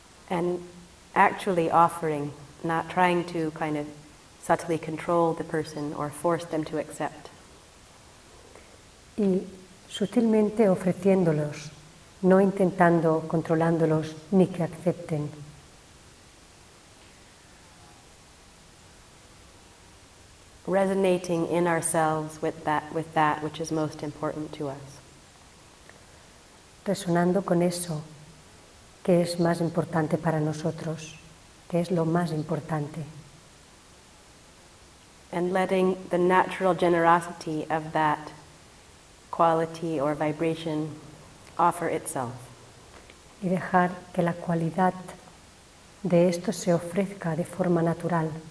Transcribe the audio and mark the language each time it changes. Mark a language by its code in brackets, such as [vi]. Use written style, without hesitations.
[en] And actually offering, not trying to kind of subtly control the person or force them to accept. [es] Y sutilmente ofreciéndolos, no intentando controlándolos ni que acepten. [en] Resonating in ourselves with that which is most important to us. [es] Resonando con eso que es más importante para nosotros, que es lo más importante. [en] And letting the natural generosity of that quality or vibration offer itself. [es] Y dejar que la cualidad de esto se ofrezca de forma natural.